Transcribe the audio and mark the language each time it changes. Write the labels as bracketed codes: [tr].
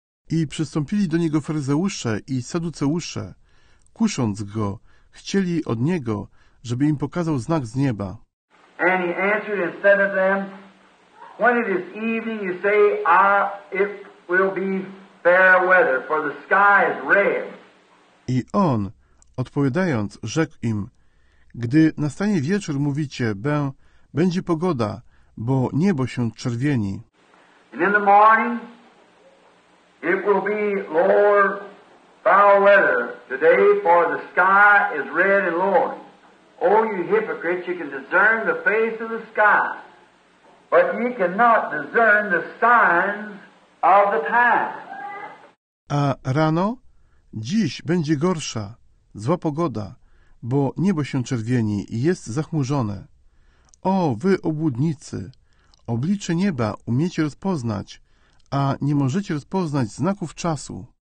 [pl] I przystąpili do niego faryzeusze i saduceusze, kusząc go, chcieli od niego, żeby im pokazał znak z nieba. [en] And he answered and said to them, when it is evening, you say, ah, it will be fair weather, for the sky is red. [pl] I on, odpowiadając, rzekł im, gdy nastanie wieczór, mówicie, będzie pogoda, bo niebo się czerwieni. [en] And in the morning, it will be lower foul weather today, for the sky is red and lowering. O you hypocrites, you can discern the face of the sky, but you cannot discern the signs of the time. [pl] A rano? Dziś będzie gorsza, zła pogoda, bo niebo się czerwieni i jest zachmurzone. O, wy obłudnicy, oblicze nieba umiecie rozpoznać, a nie możecie rozpoznać znaków czasu.